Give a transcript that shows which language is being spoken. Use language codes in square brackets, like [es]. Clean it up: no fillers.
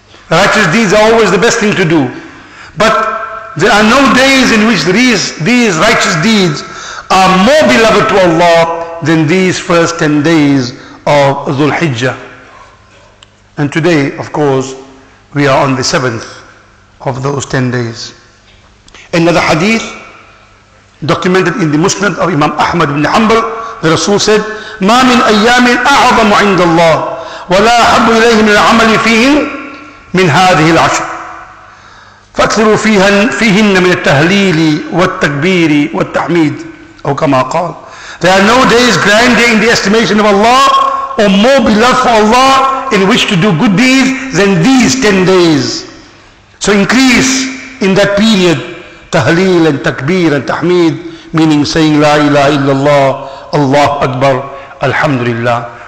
[en] Righteous deeds are always the best thing to do. But there are no days in which these righteous deeds are more beloved to Allah than these first 10 days of Dhul-Hijjah. And today, of course, we are on the 7th of those 10 days. Another hadith documented in the Musnad of Imam Ahmad ibn Hanbal, the Rasul said, [ar] مَا مِنْ أَيَّامٍ أَعْظَمُ عِنْدَ اللَّهِ وَلَا أَحَبُّ إِلَيْهِ مِنْ الْعَمَلِ فِيهِمْ مِنْ هَذِهِ الْعَشْرِ فَأَكْثِرُوا فِيهِنَّ مِنَ التَّهْلِيلِ وَالتَّكْبِيرِ وَالتَّحْمِيدِ. أو كما قال, [en] there are no days grander in the estimation of Allah or more beloved for Allah in which to do good deeds than these 10 days. So increase in that period تَهْلِيل and تَكْبِيرَ and تَحْمِيد, meaning saying [ar] لا إله إلا الله, [en] Allah Akbar, Alhamdulillah.